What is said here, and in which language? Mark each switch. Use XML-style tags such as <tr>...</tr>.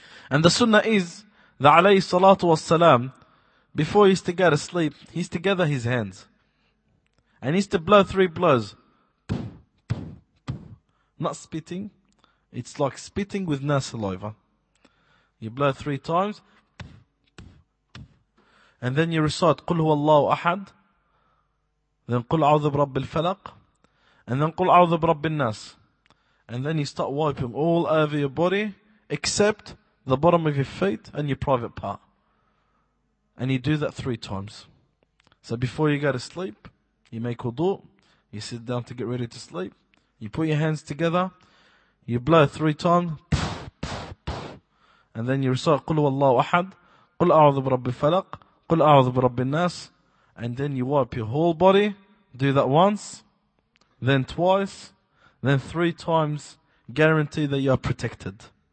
<en>And the sunnah is that alayhi salatu wasalam, before he's to go to sleep, he's to gather his hands. And he's to blow 3 blows. Not spitting. It's like spitting with no saliva. You blow 3 times. And then you recite,</en> <ar>قُلْ هُوَ اللَّهُ أَحَدْ.</ar> <en>Then</en> <ar>قُلْ أَعُوذُ بِرَبِّ الْفَلَقِ.</ar> <en>And then</en> <ar>قُلْ أَعُوذُ بِرَبِّ النَّاسِ.</ar> <en>And then you start wiping all over your body, except the bottom of your feet and your private part. And you do that 3 times. So before you go to sleep, you make wudu, you sit down to get ready to sleep, you put your hands together, you blow 3 times, and then you recite,</en> <ar>قُلْ وَاللَّهُ أَحَدْ, قُلْ أَعُوذُ بِرَبِّ الْفَلَقْ, قُلْ أَعُوذُ بِرَبِّ النَّاسِ,</ar> <en>and then you wipe your whole body, do that once, then twice, then 3 times, guarantee that you are protected.</en>